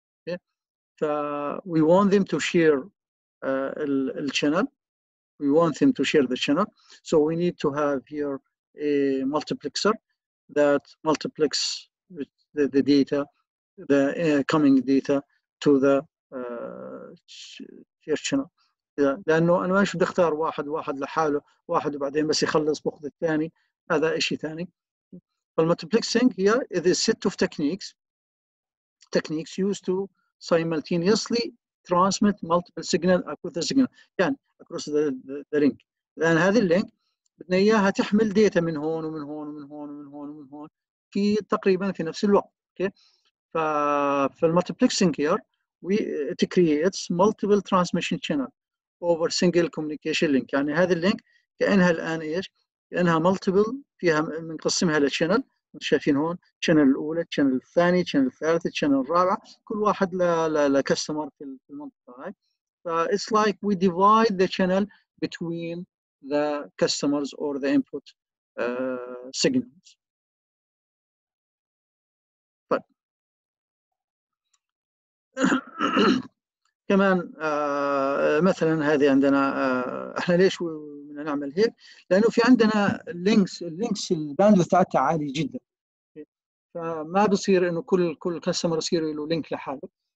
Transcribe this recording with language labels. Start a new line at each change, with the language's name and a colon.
English: Okay, so we want them to share the channel. We want them to share the channel. So we need to have here a multiplexer that multiplex the data, the coming data to the shared channel.
Arabic: لانه انا ما شو بدي اختار واحد لحاله واحد وبعدين بس يخلص باخذ الثاني، هذا شيء ثاني. فالمالتيبلكسنج هي
English: is a set of techniques used to simultaneously transmit multiple signal across the signal، يعني across the link.
Arabic: لان هذه اللينك بدنا اياها تحمل داتا من هون ومن هون ومن هون ومن هون ومن هون في تقريبا في نفس الوقت. اوكي، فالمالتيبلكسنج هي
English: it creates multiple transmission channel over single communication link.
Arabic: يعني هذه اللينك كأنها الآن إيش؟ كأنها multiple، فيها منقسمها لشانل، شايفين هون شانل الأولى، شانل الثاني، شانل الثالث، شانل الرابع، كل واحد لكستمر في المنطقة هاي.
English: It's like we divide the channel between the customers or the input signals.
Arabic: But كمان مثلا هذه عندنا احنا ليش بدنا نعمل هيك؟ لانه في عندنا اللينكس الباندوث تاعتها عالي جدا، فما بصير انه كل كاستمر يصير له لينك لحاله.